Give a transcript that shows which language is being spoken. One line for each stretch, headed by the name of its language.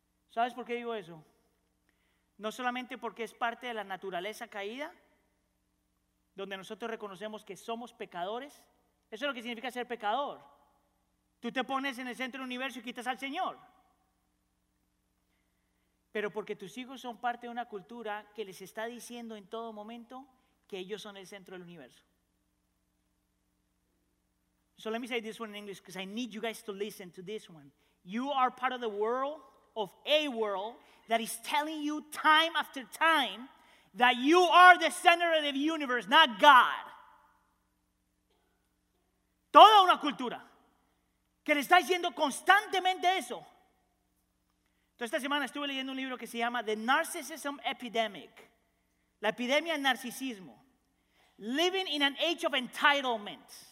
Spanish: ¿Sabes por qué digo eso? No solamente porque es parte de la naturaleza caída, donde nosotros reconocemos que somos pecadores. Eso es lo que significa ser pecador. Tú te pones en el centro del universo y quitas al Señor. Pero porque tus hijos son parte de una cultura que les está diciendo en todo momento que ellos son el centro del universo.
English: So let me say this one in English because I need you guys to listen to this one. You are part of the world, of a world that is telling you time after time That you are the center of the universe, not God.
Spanish: Toda una cultura que le está diciendo constantemente eso. Entonces, esta semana estuve leyendo un libro que se llama The Narcissism Epidemic. La epidemia del narcisismo.
English: Living in an age of entitlement.